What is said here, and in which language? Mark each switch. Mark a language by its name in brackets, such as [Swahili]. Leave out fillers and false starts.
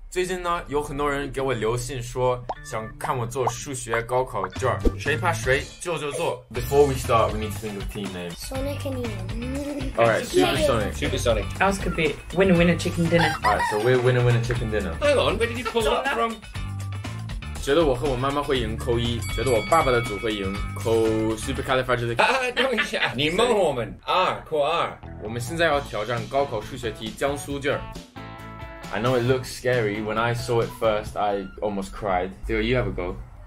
[Chinese] 最近呢，有很多人给我留信说想看我做数学高考卷，谁怕谁，做就做。 [English] Before we start, we need to think of team name. Sonic and Ian. All right, Super Sonic. Super Sonic. Ours could be Winner Winner Chicken Dinner. All right, so we're Winner Winner Chicken Dinner. Hang on, where did you pull that from? [Chinese] 觉得我和我妈妈会赢扣一，觉得我爸爸的组会赢扣 supercalifragilistic。啊，等一下，你蒙我们二扣二。我们现在要挑战高考数学题江苏卷。 [English] I know it looks scary. When I saw it first, I almost cried. Theo, you have a go.